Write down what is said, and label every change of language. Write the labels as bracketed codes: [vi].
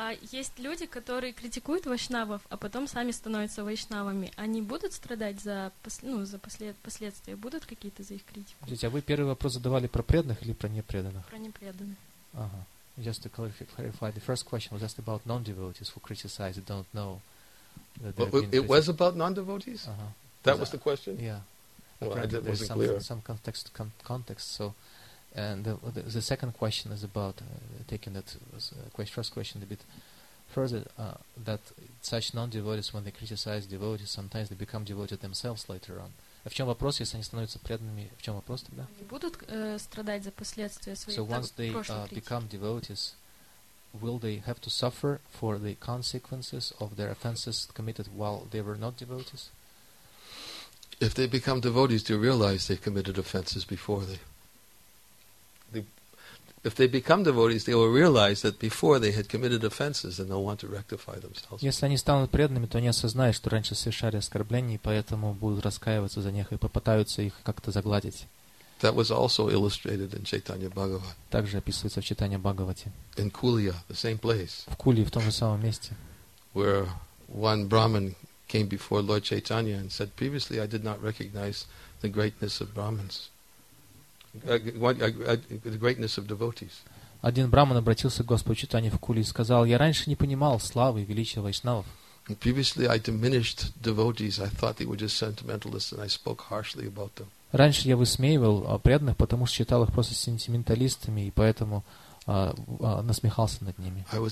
[ru] Есть люди, которые критикуют вайшнавов, а потом сами становятся вайшнавами. Они будут страдать за, ну, за последствия? Будут какие-то за их критику? Подождите, а вы первый вопрос задавали про преданных или про непреданных? Про непреданных. Ага. [en] Just to clarify, the first question was just about non-devotees who criticize and don't know. It was about non-devotees? Uh-huh. That was the question? Yeah. Well, I didn't, wasn't some, clear. Some context, context, so... And the second question is about taking that first question a bit further, that such non-devotees, when they criticize devotees, sometimes they become devoted themselves later on. [ru] А в чем вопрос, если они становятся преданными? В чем вопрос тогда? Они будут страдать за последствия своих прошлых критик? [en] So once they become devotees, will they have to suffer for the consequences of their offenses committed while they were not devotees? If they become devotees, do you realize they've committed offenses before they? If they become devotees, they will realize that before they had committed offenses, and they'll want to rectify themselves. [ru] Если они станут преданными, то они осознают, что раньше совершали оскорбления, и поэтому будут раскаиваться за них и попытаются их как-то загладить. [en] That was also illustrated in Chaitanya Bhagavat. [ru] Также описывается в Чайтанья Бхагавате. [en] In Kulia, the same place. [ru] В Кулии, в том же самом месте. [en] Where one Brahmin came before Lord Chaitanya and said, "Previously, I did not recognize the greatness of Brahmins, the greatness of devotees." [ru] Один Брахман обратился к Господу Чайтанье в Кулии и сказал: "Я раньше не понимал славы и величия вайшнавов." [en] Previously, I diminished devotees. I thought they were just sentimentalists, and I spoke harshly about them. [ru] Раньше я высмеивал преданных, потому что считал их просто сентименталистами, и поэтому насмехался над ними.